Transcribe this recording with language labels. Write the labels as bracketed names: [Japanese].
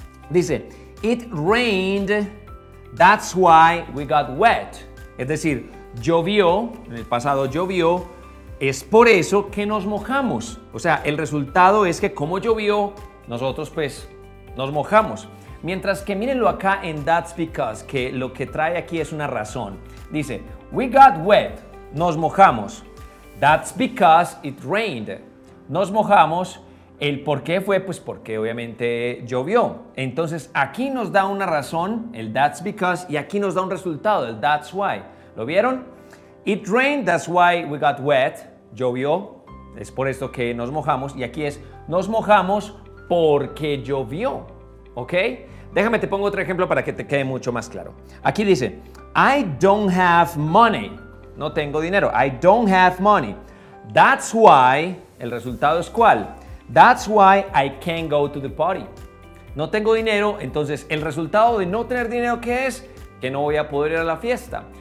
[English] Dice, it rained, that's why we got wet. [Spanish] Es decir, llovió, en el pasado llovió, es por eso que nos mojamos. O sea, el resultado es que como llovió, nosotros pues nos mojamos. Mientras que mírenlo acá en [English] that's because, [Spanish] que lo que trae aquí es una razón. [English] Dice, we got wet, [Spanish] nos mojamos. [English] That's because it rained. Nos mojamos. [Spanish] El por qué fue, pues porque obviamente llovió. Entonces aquí nos da una razón, el [English] that's because, [Spanish] y aquí nos da un resultado, el [English] that's why. [Spanish] ¿Lo vieron? [English] It rained, that's why we got wet. [Spanish] Llovió, es por esto que nos mojamos. Y aquí es, nos mojamos porque llovió. ¿Ok? Déjame te pongo otro ejemplo para que te quede mucho más claro. Aquí dice, [English] I don't have money. [Spanish] No tengo dinero. [English] I don't have money. That's why, [Spanish] el resultado es ¿cuál? [English] That's why I can't go to the party. [Spanish] No tengo dinero, entonces el resultado de no tener dinero, ¿qué es? Que no voy a poder ir a la fiesta.